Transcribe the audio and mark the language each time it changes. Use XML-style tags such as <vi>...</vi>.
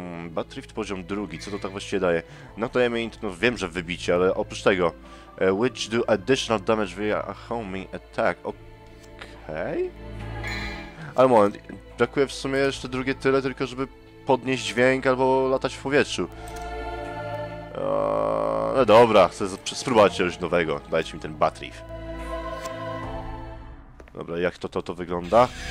<pl>Batrift poziom drugi, co to tak właściwie daje? No to ja wiem, że wybicie, ale oprócz tego...</pl> <en>which do additional damage via a homing attack. Okej?</en> <pl>Ale moment, brakuje w sumie jeszcze drugie tyle, tylko żeby podnieść dźwięk albo latać w powietrzu. No dobra, chcę spróbować coś nowego. Dajcie mi ten Batrift. Dobra, jak to wygląda?</pl>